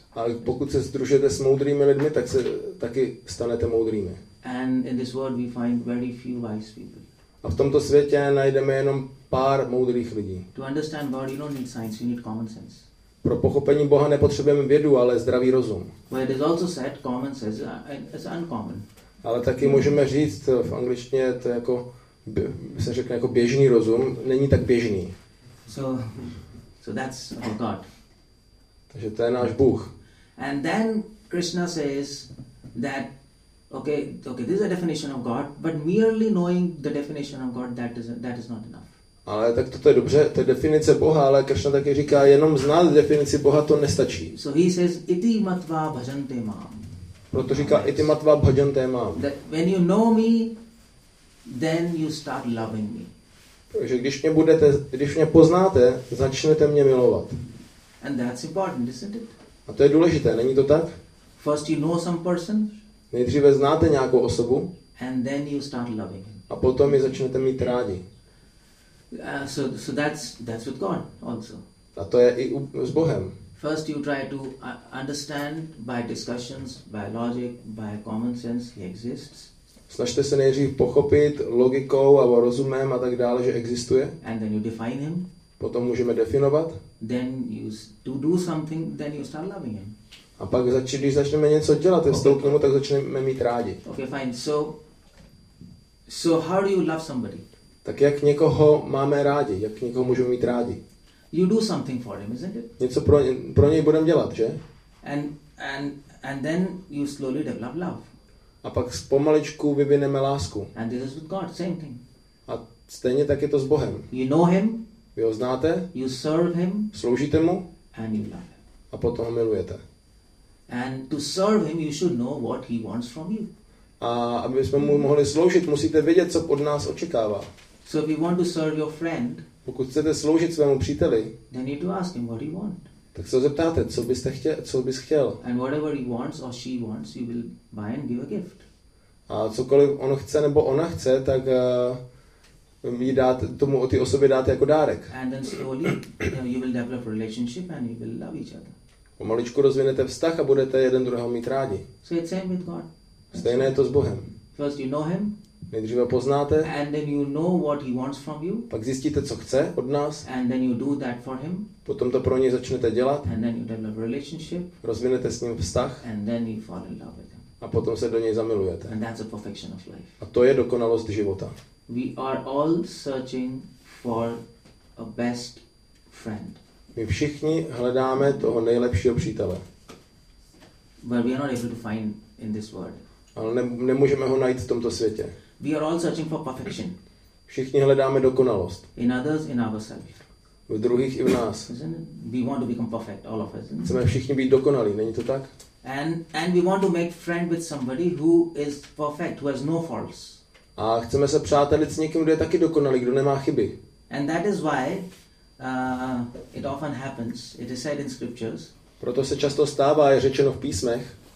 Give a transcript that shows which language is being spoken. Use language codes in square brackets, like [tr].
[cs] A pokud se sdružujete s moudrými lidmi, tak se taky stanete moudrými. [en] And in this world we find very few wise people. [cs] A v tomto světě najdeme jenom pár moudrých lidí. [en] To understand God, you don't need science, you need common sense. [cs] Pro pochopení Boha nepotřebujeme vědu, ale zdravý rozum. [en] But it is also said, common sense is uncommon. [cs] Ale taky můžeme říct, v angličtině to jako se řekne jako běžný rozum, není tak běžný. [en] So that's our God. [cs] Takže to je náš Bůh. [en] And then Krishna says that Okay, this is a definition of God, but merely knowing the definition of God, that is not enough. [cs] Ale tak toto je dobře, to je definice Boha, ale Krishna taky říká, jenom znát definici Boha to nestačí. [en] So he says, [sa] iti matva bhajante mam. [cs] Proto říká, [sa] iti matva bhajante mam. [en] That when you know me, then you start loving me. [cs] Takže když mě poznáte, začnete mě milovat. [en] And that's important, isn't it? [cs] A to je důležité, není to tak? [en] First you know some person. [cs] Nejdříve znáte nějakou osobu. [en] And then you start loving him. [cs] A potom ji začnete mít rádi. [en] So that's with God also. [cs] A to je i s Bohem. [en] First you try to understand by discussions, by logic, by common sense he exists. [cs] Snažte se nejdřív pochopit logikou a rozumem a tak dále, že existuje. [en] And then you define him. [cs] Potom můžeme definovat. [en] Then you to do something, then you start loving him. [cs] A pak, když začneme něco dělat, vstoup k němu, tak začneme mít rádi. [en] Okay, fine. So how do you love somebody? [cs] Tak jak někoho máme rádi, jak někoho můžeme mít rádi? [en] You do something for him, isn't it? [cs] Něco pro něj budeme dělat, že? [en] And then you slowly develop love. [cs] A pak pomaličku vyvineme lásku. [en] And this is with God, same thing. [cs] A stejně tak je to s Bohem. [en] You know him. [cs] Vy ho znáte. [en] You serve him. [cs] Sloužíte mu. [en] And you love him. [cs] A potom ho milujete. [en] And to serve him, you should know what he wants from you. [cs] A aby jsme mu mohli sloužit, musíte vědět, co od nás očekává. [en] So if you want to serve your friend, [cs] pokud chcete sloužit svému příteli, [en] then you need to ask him what he want. [cs] Tak se ho zeptáte, co byste chtěl, co bys chtěl. [en] And whatever he wants or she wants, you will buy and give a gift. [cs] A cokoliv on chce nebo ona chce, tak jí dát, tomu o ty osobě dát jako dárek. [en] And then slowly you will develop a relationship and you will love each other. [cs] Pomaličku rozvinete vztah a budete jeden druhého mít rádi. [en] So it's same with God. [cs] Stejné je to s Bohem. [en] First you know him. [cs] Nejdříve poznáte. [en] And then you know what he wants from you. [cs] Pak zjistíte, co chce od nás. [en] And then you do that for him. [cs] Potom to pro něj začnete dělat. [en] And then you develop a relationship. [cs] Rozvinete s ním vztah. [en] And then you fall in love with him. [cs] A potom se do něj zamilujete. [en] And that's the perfection of life. [cs] A to je dokonalost života. [en] We are all searching for a best friend. [cs] My všichni hledáme toho nejlepšího přítele. [en] But we are not able to find in this world. [cs] Ale nemůžeme ho najít v tomto světě. [en] We are all searching for perfection. [cs] Všichni hledáme dokonalost. [en] In others, in ourselves. [cs] V druhých i v nás. [en] We want to become perfect, all of us. [cs] Chceme všichni být dokonalí, není to tak? [en] And we want to make friend with somebody who is perfect, who has no faults. [cs] A chceme se přátelit s někým, kdo je taky dokonalý, kdo nemá chyby. [en] And that is why it often happens. It is said in scriptures. [cs] Proto se často stává, je řečeno v písmech.